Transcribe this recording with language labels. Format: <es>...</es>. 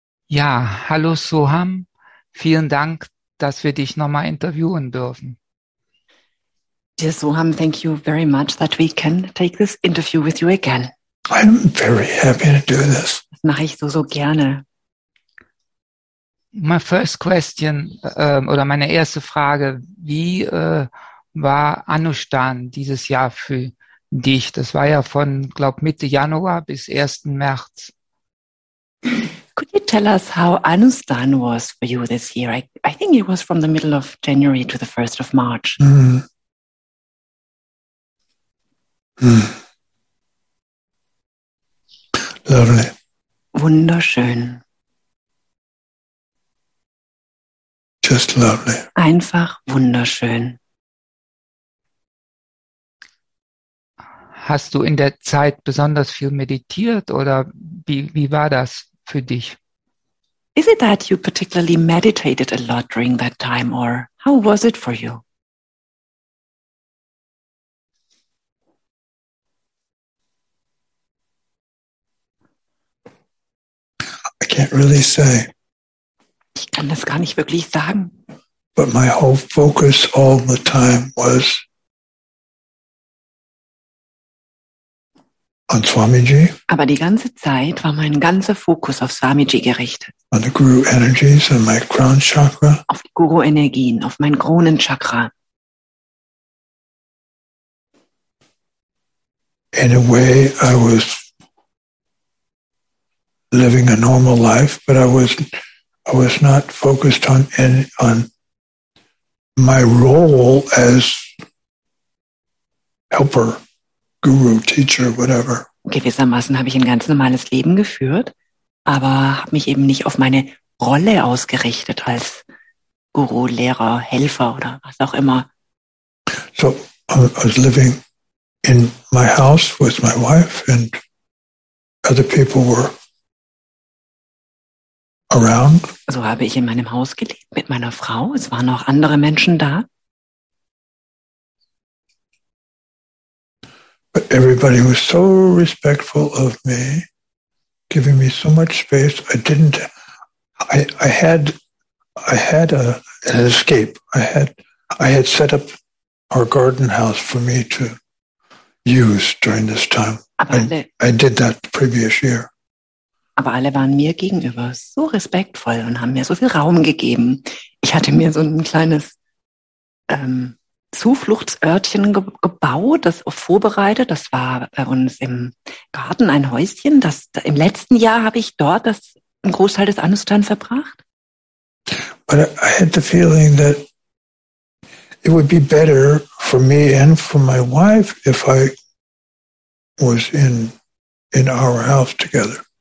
<de>Ja, hallo Soham, vielen Dank, dass wir dich nochmal interviewen dürfen.</de> <en>Dear Soham, thank you very much that we can take this interview with you again. I'm very happy to do this.</en> <de>Das mache ich so gerne.</de> <en>My first question,</en> <de>oder meine erste Frage, wie war Anushtan dieses Jahr für dich? Das war ja von, glaube Mitte Januar bis 1. März.</de> <en>Could you tell us how Anusdhan was for you this year? I think it was from the middle of January to the 1st of March. Lovely.</en> <de>Wunderschön.</de> <en>Just lovely.</en> <de>Einfach wunderschön. Hast du in der Zeit besonders viel meditiert oder wie war das für dich?</de> <en>Is it that you particularly meditated a lot during that time, or how was it for you? Can't really say.</en> <de>Ich kann das gar nicht wirklich sagen.</de> <en>But my whole focus all the time was on Swamiji.</en> <de>Aber die ganze Zeit war mein ganzer Fokus auf Swamiji gerichtet.</de> <en>On the Guru energies and my crown chakra.</en> <de>Auf die Guru-Energien, auf mein Kronenchakra.</de> <en>In a way, I was living a normal life, but I was not focused on my role as helper, guru, teacher, whatever.</en> <de>Gewissermaßen habe ich ein ganz normales Leben geführt, aber habe mich eben nicht auf meine Rolle ausgerichtet als Guru, Lehrer, Helfer oder was auch immer.</de> <en>So I was living in my house with my wife and other people were around.</en> <de>So habe ich in meinem Haus gelebt mit meiner Frau. Es waren auch andere Menschen da.</de> <en>But everybody was so respectful of me, giving me so much space. I had an escape. I had set up our garden house for me to use during this time. I did that the previous year.</en> <de>Aber alle waren mir gegenüber so respektvoll und haben mir so viel Raum gegeben. Ich hatte mir so ein kleines Zufluchtsörtchen gebaut, das vorbereitet. Das war bei uns im Garten ein Häuschen. Im letzten Jahr habe ich dort einen Großteil des Anusdhan verbracht.</de> <en>But I had the feeling that it would be better for me and for my wife if I was in our house together.</en>